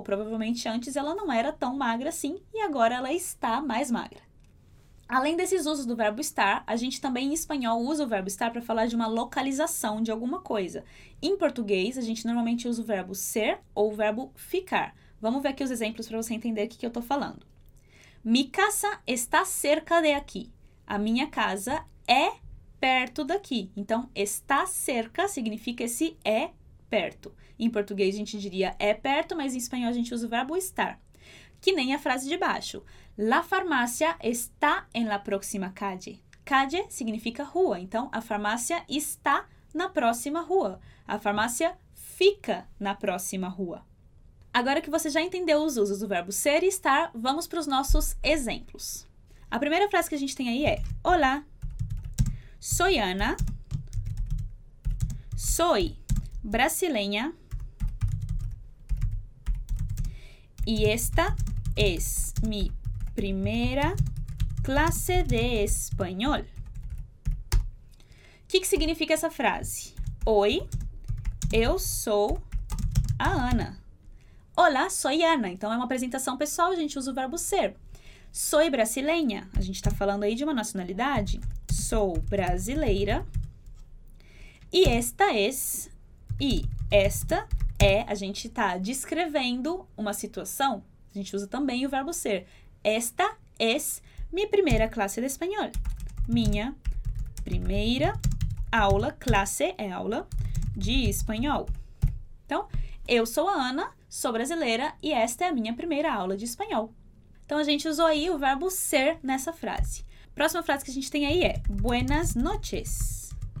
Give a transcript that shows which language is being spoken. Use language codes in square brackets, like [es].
[pt] Provavelmente, antes ela não era tão magra assim e agora ela está mais magra. Além desses usos do verbo estar, a gente também, em espanhol, usa o verbo estar para falar de uma localização de alguma coisa. Em português, a gente normalmente usa o verbo ser ou o verbo ficar. Vamos ver aqui os exemplos para você entender o que eu estou falando. [es] Mi casa está cerca de aquí. [pt] A minha casa é perto daqui. Então, [es] está cerca [pt] significa esse é perto. Em português, a gente diria é perto, mas em espanhol, a gente usa o verbo estar. Que nem a frase de baixo. [es] La farmacia está en la próxima calle. [pt] Calle significa rua. Então, a farmácia está na próxima rua. A farmácia fica na próxima rua. Agora que você já entendeu os usos do verbo ser e estar, vamos para os nossos exemplos. A primeira frase que a gente tem aí é olá. [es] Soy Ana. Soy brasileña. Y esta es mi primera clase de español. ¿Qué significa esa frase? [pt] Hoy eu sou a Ana. Olá, [es] soy Ana. [pt] Então, é uma apresentação pessoal, a gente usa o verbo ser. [es] Soy brasileña. [pt] A gente está falando aí de uma nacionalidade. Sou brasileira. [es] E esta es. [pt] E esta é. A gente está descrevendo uma situação. A gente usa também o verbo ser. [es] Esta es mi primera clase de español. [pt] Minha primeira aula. Clase é aula de espanhol. Então, eu sou a Ana. Sou brasileira e esta é a minha primeira aula de espanhol. Então, a gente usou aí o verbo ser nessa frase. Próxima frase que a gente tem aí é [es] buenas noches.